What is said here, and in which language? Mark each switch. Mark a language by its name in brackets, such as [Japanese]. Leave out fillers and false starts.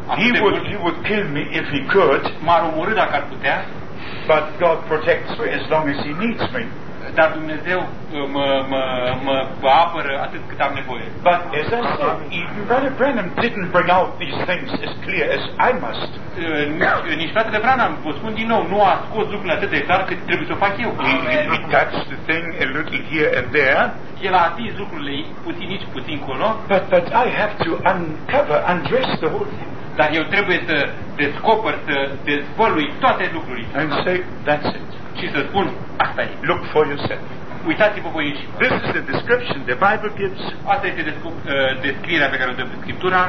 [English] He would kill me if he could. [Romanian] M-ar omorî dacă ar putea. [English] But God protects me as long as he needs me. [Romanian] Dar Dumnezeu mă apără atât cât am nevoie. [English] But as I said, Brother Branham didn't bring out these things as clear as I must. [Romanian] Nici fratele Branham, vă spun din nou, nu a scos lucrurile atât de clar cât trebuie să o fac eu. [English] He touched the thing a little here and there. [Romanian] El a atins lucrurile puțin aici, puțin colo. [English] But I have to uncover, undress the whole thing. [Romanian] Dar eu trebuie să descoper, să dezvălui toate lucrurile. [English] And say, that's it. [Romanian] Și să spun, asta e. [English] Look for yourself. [Romanian] Uitați-vă voi aici. [English] This is the description the Bible gives. [Romanian] Asta este descrierea pe care o dă Scriptura.